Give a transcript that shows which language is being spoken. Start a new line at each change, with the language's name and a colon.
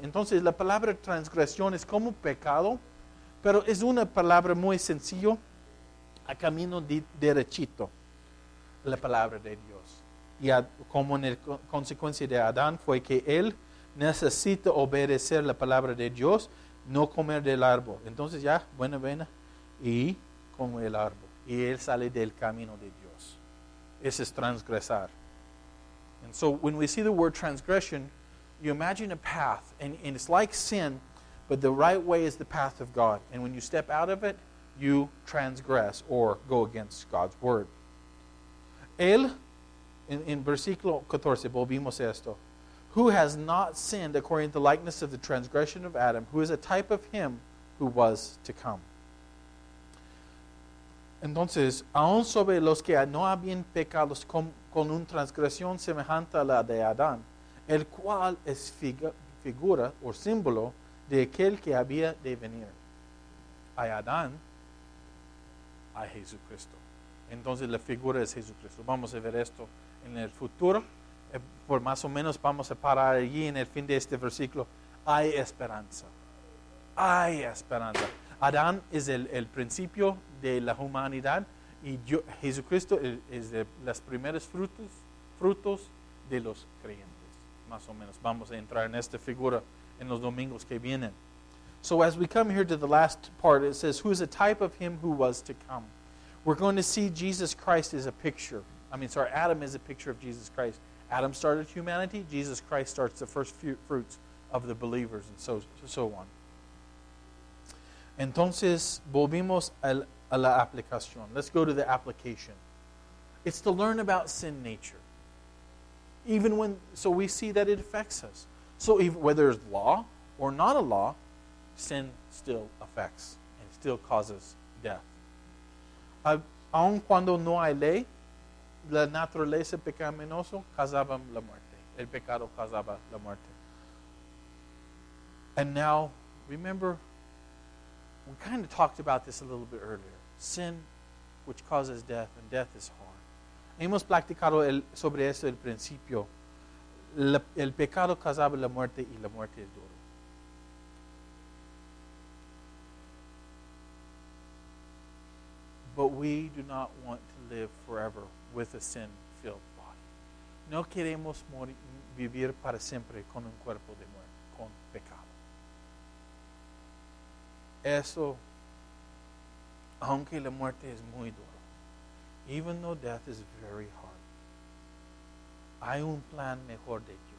Spanish: Entonces, la palabra transgresión es como pecado, pero es una palabra muy sencilla, a camino derechito, la palabra de Dios. Y como en la consecuencia de Adán fue que él necesita obedecer la palabra de Dios, no comer del árbol. Entonces ya, buena vena, y come el árbol. Y él sale del camino de Dios. Ese es transgresar.
English: And so when we see the word transgression, you imagine a path, and it's like sin, but the right way is the path of God. And when you step out of it, you transgress or go against God's word.
Spanish: Él, en versículo 14, volvimos a esto.
English: Who has not sinned according to the likeness of the transgression of Adam, who is a type of him who was to come.
Spanish: Entonces, aun sobre los que no habían pecado con una transgresión semejante a la de Adán, el cual es figura o símbolo de aquel que había de venir. Hay Adán, hay Jesucristo. Entonces, la figura es Jesucristo. Vamos a ver esto en el futuro. Por más o menos vamos a parar allí en el fin de este versículo. Hay esperanza. Hay esperanza. Adán es el principio de la humanidad y Jesucristo es de las primeras frutos de los creyentes. Más o menos vamos a entrar en esta figura en los domingos que vienen.
English: So as we come here to the last part, it says, who is a type of him who was to come? We're going to see Jesus Christ as a picture. Adam is a picture of Jesus Christ. Adam started humanity. Jesus Christ starts the first fruits of the believers and so on.
Spanish: Entonces, volvimos a la aplicación.
English: Let's go to the application. It's to learn about sin nature. So we see that it affects us. So whether it's law or not a law, sin still affects and still causes death.
Spanish: Aun cuando no hay ley, la naturaleza pecaminosa causaba la muerte. El pecado causaba la muerte.
English: And now, remember, we kind of talked about this a little bit earlier. Sin, which causes death, and death is hard.
Spanish: Hemos platicado sobre esto al principio. El pecado causaba la muerte y la muerte es duro.
English: But we do not want to live forever with a sin-filled body.
Spanish: No queremos vivir para siempre con un cuerpo de muerte, con pecado. Eso, aunque la muerte es muy duro,
English: even though death is very hard,
Spanish: hay un plan mejor de Dios.